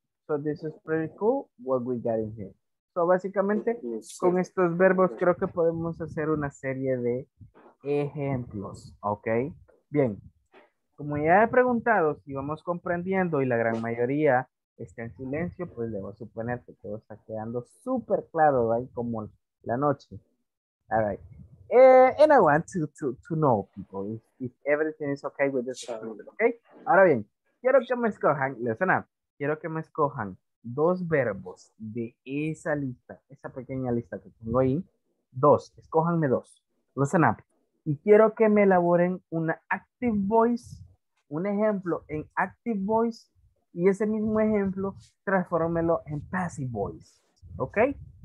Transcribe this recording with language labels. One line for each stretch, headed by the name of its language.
English: So this is pretty cool what we got in here.
Spanish: So básicamente con estos verbos creo que podemos hacer una serie de ejemplos, ¿ok? Bien, como ya he preguntado, si vamos comprendiendo y la gran mayoría está en silencio, pues debo suponer que todo está quedando súper claro, ¿vale? Como la noche.
English: All right. And I want to know, people, if everything is okay with this problem, okay?
Spanish: Ahora bien, quiero que me escojan,
English: listen up,
Spanish: quiero que me escojan dos verbos de esa lista, esa pequeña lista que tengo ahí, dos, escójanme dos, listen up, y quiero que me elaboren una active voice, un ejemplo en active voice, y ese mismo ejemplo, transfórmelo en passive voice, okay?